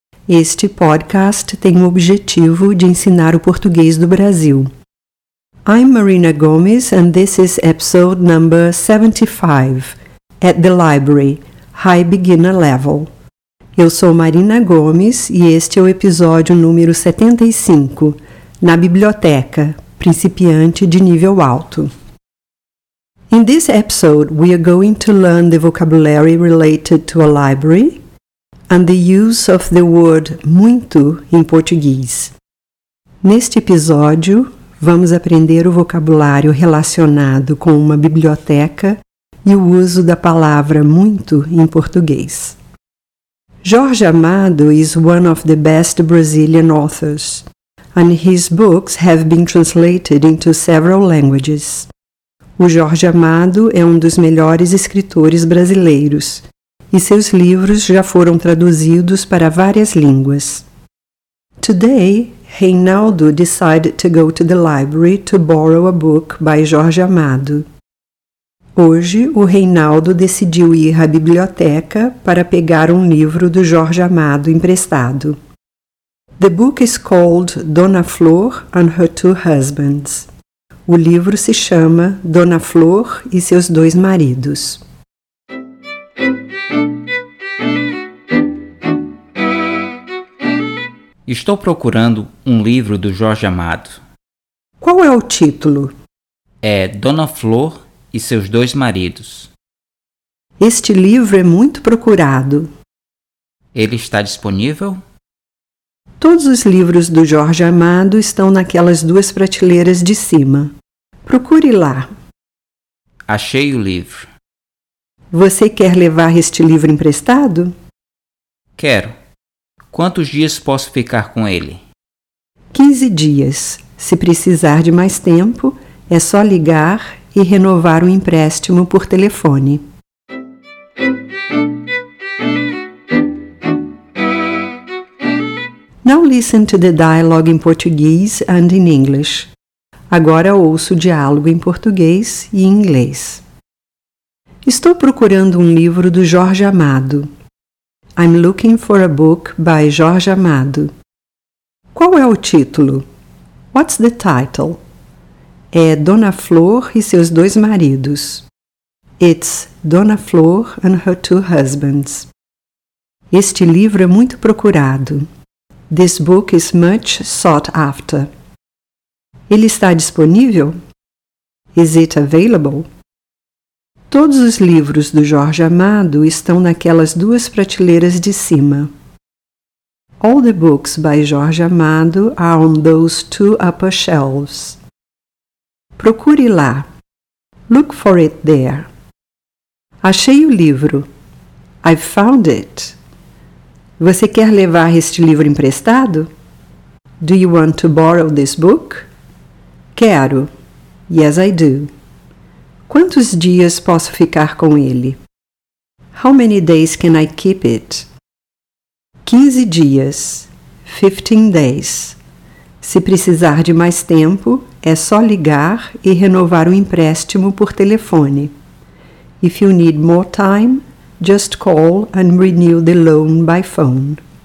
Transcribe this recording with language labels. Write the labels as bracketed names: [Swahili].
[Portuguese] Este podcast tem o objetivo de ensinar o português do Brasil. [English] I'm Marina Gomes and this is episode number 75, At the Library, High Beginner Level. [Portuguese] Eu sou Marina Gomes e este é o episódio número 75, Na Biblioteca, Principiante de Nível Alto. [English] In this episode, we are going to learn the vocabulary related to a library and the use of the word muito in Portuguese. [Portuguese] Neste episódio, vamos aprender o vocabulário relacionado com uma biblioteca e o uso da palavra muito em português. [English] Jorge Amado is one of the best Brazilian authors, and his books have been translated into several languages. [Portuguese] O Jorge Amado é um dos melhores escritores brasileiros, e seus livros já foram traduzidos para várias línguas. [English] Today, Reinaldo decided to go to the library to borrow a book by Jorge Amado. [Portuguese] Hoje, o Reinaldo decidiu ir à biblioteca para pegar um livro do Jorge Amado emprestado. [English] The book is called Dona Flor and Her Two Husbands. [Portuguese] O livro se chama Dona Flor e seus dois maridos. Estou procurando um livro do Jorge Amado. Qual é o título? É Dona Flor e seus dois maridos. Este livro é muito procurado. Ele está disponível? Todos os livros do Jorge Amado estão naquelas duas prateleiras de cima. Procure lá. Achei o livro. Você quer levar este livro emprestado? Quero. Quantos dias posso ficar com ele? 15 dias. Se precisar de mais tempo, é só ligar e renovar o empréstimo por telefone. [English] Now listen to the dialogue in Portuguese and in English. [Portuguese] Agora ouço o diálogo em português e em inglês. Estou procurando um livro do Jorge Amado. [English] I'm looking for a book by Jorge Amado. [Portuguese] Qual é o título? [English] What's the title? [Portuguese] É Dona Flor e seus dois maridos. [English] It's Dona Flor and her two husbands. [Portuguese] Este livro é muito procurado. [English] This book is much sought after. [Portuguese] Ele está disponível? [English] Is it available? [Portuguese] Todos os livros do Jorge Amado estão naquelas duas prateleiras de cima. [English] All the books by Jorge Amado are on those two upper shelves. [Portuguese] Procure lá. [English] Look for it there. [Portuguese] Achei o livro. [English] I found it. [Portuguese] Você quer levar este livro emprestado? [English] Do you want to borrow this book? [Portuguese] Quero. [English] Yes, I do. [Portuguese] Quantos dias posso ficar com ele? [English] How many days can I keep it? [Portuguese] 15 dias. [English] 15 days. [Portuguese] Se precisar de mais tempo, é só ligar e renovar o empréstimo por telefone. [English] If you need more time, just call and renew the loan by phone.